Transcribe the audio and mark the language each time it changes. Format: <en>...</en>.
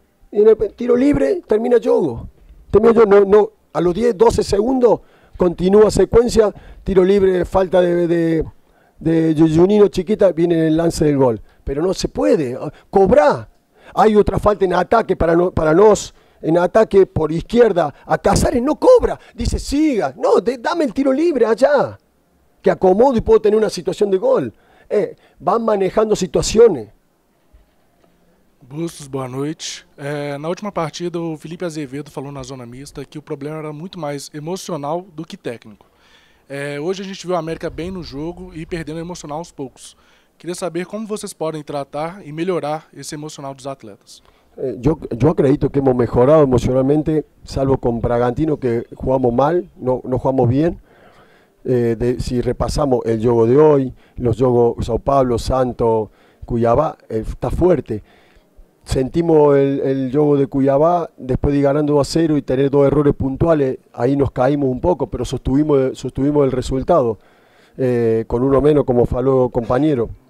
<es>Y en el tiro libre termina yo, no, a los 10, 12 segundos, continúa secuencia, tiro libre, falta de Juninho chiquita, viene el lance del gol. Pero no se puede. Cobrá. Hay otra falta en ataque para, no, para nos. En ataque por izquierda a Casares no cobra. Dice, siga. No, dame el tiro libre allá. Que acomodo y puedo tener una situación de gol. Van manejando situaciones.</es> <pt>Bustos, boa noite. Na última partida, o Felipe Azevedo falou na zona mista que o problema era muito mais emocional do que técnico. Hoje a gente viu a América bem no jogo e perdendo emocional aos poucos. Queria saber como vocês podem tratar e melhorar esse emocional dos atletas. Eu acredito que</pt> <es>hemos mejorado emocionalmente, salvo com Bragantino, que jugamos mal, não jugamos bem. Si repasamos el juego de hoy, los juegos Sao Paulo, Santo, Cuiabá, está fuerte. Sentimos el juego de Cuiabá, después de ir ganando 2-0 y tener dos errores puntuales, ahí nos caímos un poco, pero sostuvimos el resultado, con uno menos, como faló el compañero.</es>